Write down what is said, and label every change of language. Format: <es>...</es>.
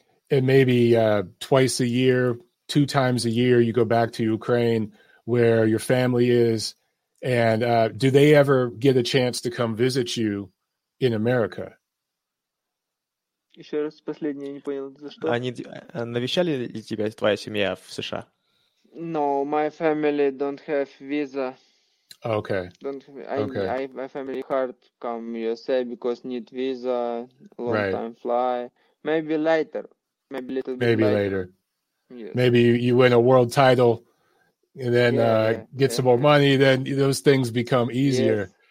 <en>And maybe twice a year, two times a year, you go back to Ukraine where your family is. And do they ever get a chance to come visit you in America?</en> <ru>Еще раз последнее, я не понял, за что. Они навещали ли тебя твоя семья в США?</ru> <en>No, my family don't have visa. Okay. My family hard come USA because need visa, long right. time fly. Maybe later. Maybe a little bit later. Yes. Maybe you win a world title and then get some more money, then those things become easier.</en>